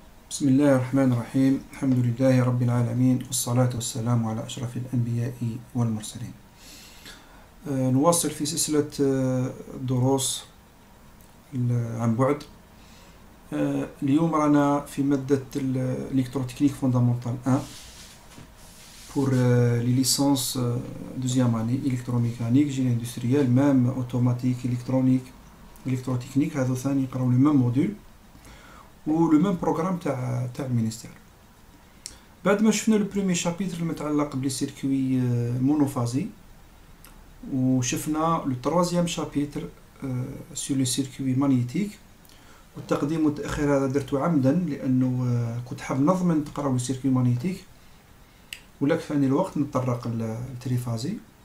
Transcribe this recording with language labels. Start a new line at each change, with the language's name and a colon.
Arabic: بسم الله الرحمن الرحيم، الحمد لله رب العالمين، والصلاة والسلام على أشرف الأنبياء والمرسلين. نواصل في سلسلة دروس عن بعد. اليوم رانا في مادة الإلكتروتكنيك فوندامونتال 1
French: pour les licences deuxième année électromécanique, génie industriel, même automatique, électronique, électrotechnique, à deux années, par le même module ou le même programme تاع ministère.
Arabic: بعد ما شفنا
French: le premier chapitre
Arabic: المتعلق بال
French: circuit monophasé ou
Arabic: شفنا
French: le troisième chapitre sur le circuit magnétique ou
Arabic: التقديم والتأخير هذا درتو عمدا لأنه كنت حاب نضمن تقراو circuit magnétique ولك فاني الوقت نتطرق للتريفازي.